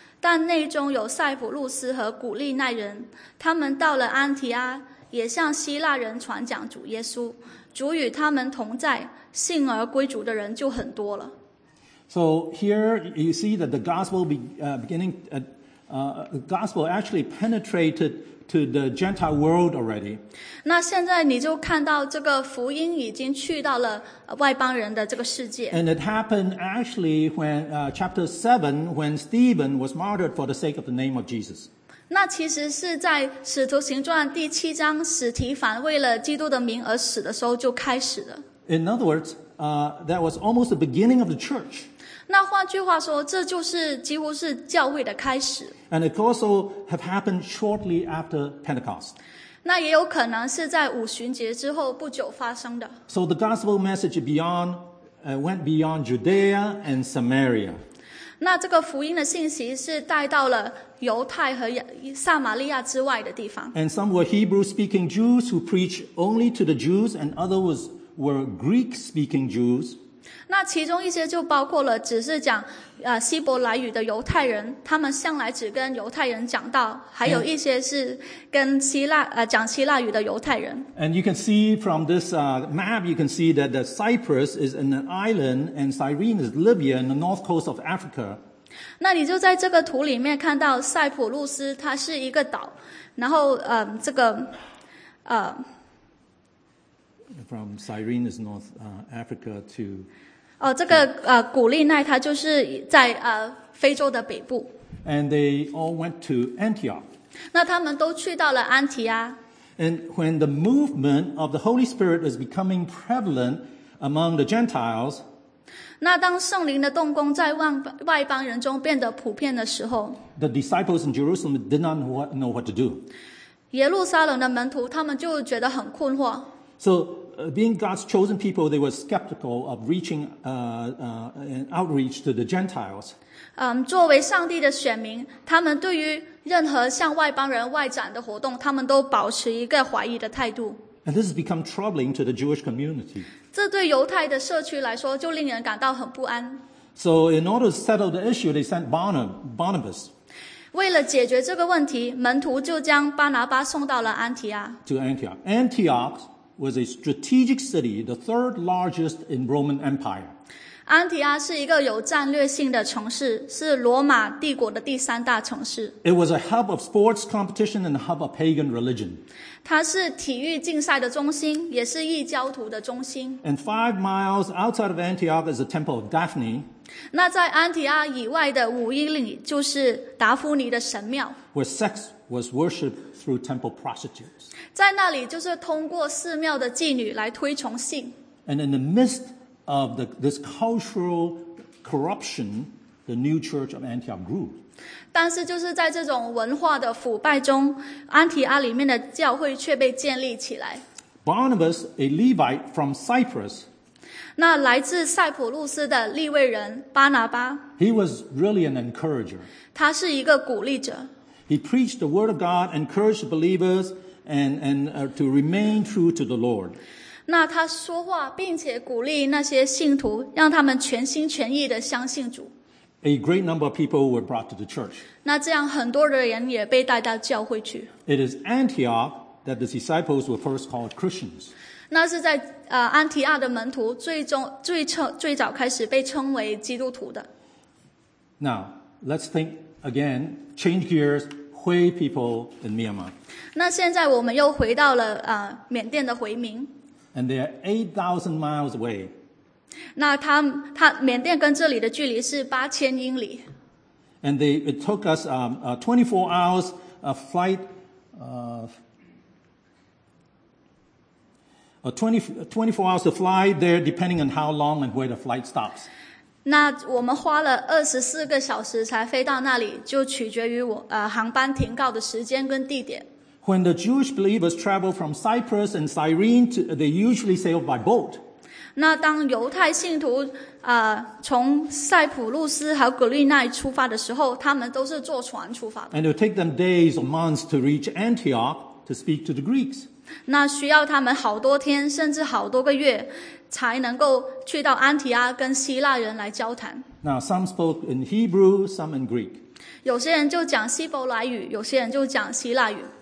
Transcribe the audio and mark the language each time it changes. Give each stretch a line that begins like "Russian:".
Chinese: 但内中有塞浦路斯和古利奈人，他们到了安提阿，也向希腊人传讲主耶稣，主与他们同在，信而归主的人就很多了。
English: So here you see that the gospel gospel actually penetrated to the Gentile world already.
Chinese: 那现在你就看到这个福音已经去到了外邦人的这个世界。
English: And it happened actually when chapter 7, when Stephen was martyred for the sake of the name of Jesus.
Chinese: 那其实是在《使徒行传》第七章，使提凡为了基督的名而死的时候就开始了。
English: In other words, that was almost the beginning of the church.
Chinese: 那换句话说，这就是几乎是教会的开始。
English: And it also have happened shortly after Pentecost.
Chinese: 那也有可能是在五旬节之后不久发生的。
English: So the gospel message went beyond Judea and Samaria.
Chinese: 那这个福音的信息是带到了犹太和撒玛利亚之外的地方。
English: And some were Hebrew-speaking Jews who preached only to the Jews, and others were Greek-speaking Jews.
Chinese: 那其中一些就包括了只是讲希伯来语的犹太人，他们向来只跟犹太人讲道，还有一些是跟讲希腊语的犹太人。
English: And you can see from this map, you can see that the Cyprus is an island and Cyrene is Libya in the north coast of Africa.
Chinese: 那你就在这个图里面看到塞浦路斯它是一个岛，然后这个
English: From Cyrene is North Africa to.
Chinese: 哦，这个古利奈它就是在非洲的北部。
English: And they all went to Antioch.
Chinese: 那他们都去到了安提阿。
English: And when the movement of the Holy Spirit is becoming prevalent among the Gentiles.
Chinese: 那当圣灵的动工在外邦人中变得普遍的时候。
English: The disciples in Jerusalem did not know what to do.
Chinese: 耶路撒冷的门徒他们就觉得很困惑。
English: So being God's chosen people, they were skeptical of reaching an outreach to the Gentiles.
Chinese: 作为上帝的选民，他们对于任何向外邦人外展的活动，他们都保持一个怀疑的态度。
English: And this has become troubling to the Jewish community.
Chinese: 这对犹太的社区来说就令人感到很不安。
English: So in order to settle the issue, they sent Barnabas.
Chinese: 为了解决这个问题，门徒就将巴拿巴送到了安提阿。
English: To Antioch. Antioch was a strategic city, the third largest in Roman Empire.
Chinese: 安提阿是一个有战略性的城市，是罗马帝国的第三大城市。
English: It was a hub of sports competition and a hub of pagan religion.
Chinese: 它是体育竞赛的中心，也是异教徒的中心。
English: And 5 miles outside of Antioch is the temple of Daphne.
Chinese: 那在安提阿以外的五英里就是达芙妮的神庙。
English: Where sex was worshipped through temple prostitutes.
Chinese: 在那里就是通过寺庙的妓女来推崇性。
English: And in the midst of this cultural corruption, the new church of Antioch grew.
Chinese: 但是就是在这种文化的腐败中，安提阿里面的教会却被建立起来。
English: Barnabas, a Levite from Cyprus,
Chinese: 那来自塞浦路斯的利未人巴拿巴，
English: he was really an encourager.
Chinese: 他是一个鼓励者。
English: He preached the word of God, encouraged believers, to remain true to the Lord.
Chinese: 那他说话，并且鼓励那些信徒，让他们全心全意的相信主。
English: A great number of people were brought to the church.
Chinese: 那这样很多的人也被带到教会去。
English: It is Antioch that the disciples were first called Christians.
Chinese: 那是在安提阿的门徒最早开始被称为基督徒的。
English: Now let's think again, change gears, Hui people in Myanmar.
Chinese: 那现在我们又回到了缅甸的回民。
English: And they are 8,000 miles away.
Chinese: 那他缅甸跟这里的距离是8000英里。
English: And it took us 24 hours of flight, 24 hours to fly there, depending on how long and where the flight stops.
Chinese: 那我们花了24个小时才飞到那里，就取决于航班停靠的时间跟地点。
English: When the Jewish believers travel from Cyprus and Cyrene, they usually sail by boat.
Chinese: 那当犹太信徒从塞浦路斯和格律奈出发的时候，他们都是坐船出发的。
English: And it would take them days or months to reach Antioch to speak to the Greeks.
Chinese: 那需要他们好多天，甚至好多个月，才能够去到安提阿跟希腊人来交谈。
English: Now some spoke in Hebrew, some in Greek.
Chinese: 有些人就讲希伯来语，有些人就讲希腊语。